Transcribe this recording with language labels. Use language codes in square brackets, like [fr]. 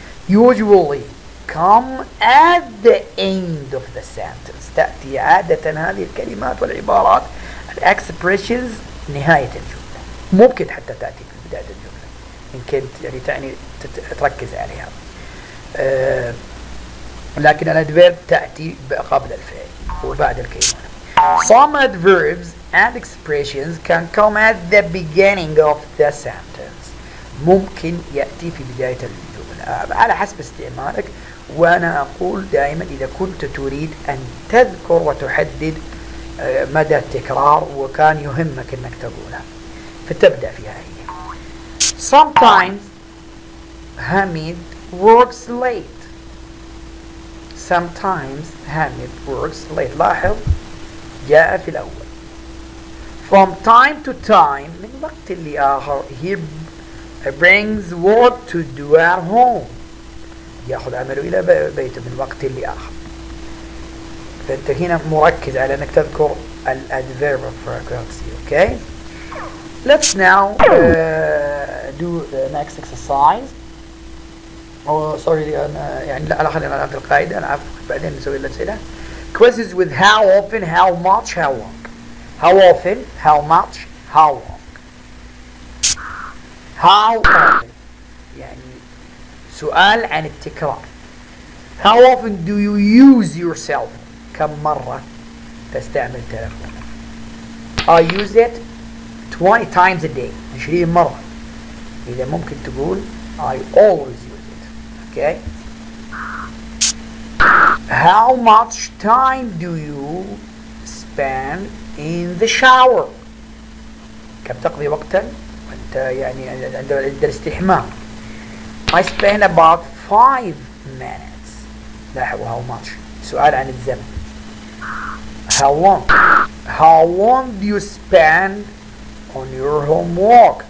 [en] Usually come at the end of the sentence [ar] تأتي عادة هذه الكلمات والعبارات expressions نهاية الجملة، ممكن حتى تأتي في بداية الجملة إن كنت يعني تعني تركز عليها، لكن الأدverb تأتي قبل الفعل وبعد الكلمة. [en] Some adverbs and expressions can come at the beginning of the sentence. [ar] ممكن يأتي في بداية الجملة على حسب استعمالك. وأنا أقول دائما إذا كنت تريد أن تذكر وتحدد مدى التكرار وكان يهمك أنك تقولها فتبدأ فيها هي. [en] Sometimes Hamid works late. Sometimes Hamid works late. [ar] لاحظ جاء في الأول. [en] From time to time [ar] من وقت لآخر [en] he brings work to do at home. [ar] يأخذ عمله إلى بيته من وقت لآخر. فأنت هنا مركز على أنك تذكر الـ adverb of frequency. [en] Okay. Let's now do the next exercise. Oh sorry [ar] يعني لا خلينا نعرف القاعدة بعدين نسوي الأسئلة. [en] Quizzes with how often, how much, how long. How often, how much, how long. How often. [ar] يعني سؤال عن التكرار. [en] How often do you use your cell phone? [ar] كم مرة تستعمل تلفونك؟ [en] I use it 20 times a day. 20 مرة. [ar] إذا ممكن تقول [en] I always use it. [ar] Okay. [en] How much time do you spend in the shower? [ar] كم تقضي وقتا وانت يعني عند الاستحمام؟ [en] I spend about 5 minutes. [ar] لاحظوا how much. سؤال عن الزمن. How long? [en] How long do you spend on your homework?